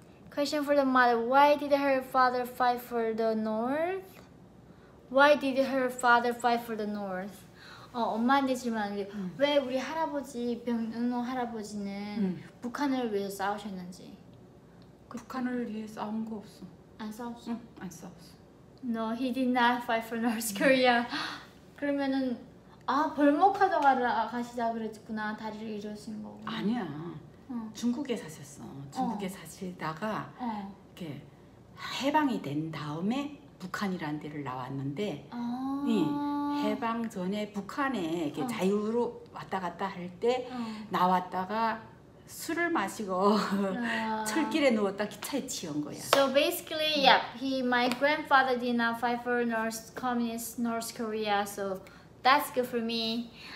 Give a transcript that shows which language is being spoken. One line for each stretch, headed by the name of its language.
English: Question for the mother. Why did her father fight for the North? Why did her father fight for the North?
Korean: 엄마한테 질문하는데 왜 우리 할아버지, 병노 할아버지는 북한을 위해서 싸우셨는지? 북한을 위해 싸운 거 없어. 안 싸웠어? 응, 안 싸웠어.
English: No, he did not fight for North Korea.
Korean: 그러면은 아 벌목하다가 가시자 그랬구나 다리를 잃으신 거. 아니야. 중국에 사셨어. 중국에 사시다가 이렇게 해방이 된 다음에 북한이라는 데를 나왔는데 해방 전에 북한에 이렇게 자유로 왔다 갔다 할 때 나왔다가 술을 마시고 철길에 누웠다 기차에 치운 거야.
English: So basically, yeah, he my grandfather did not fight for North Communist North Korea, so that's good for me.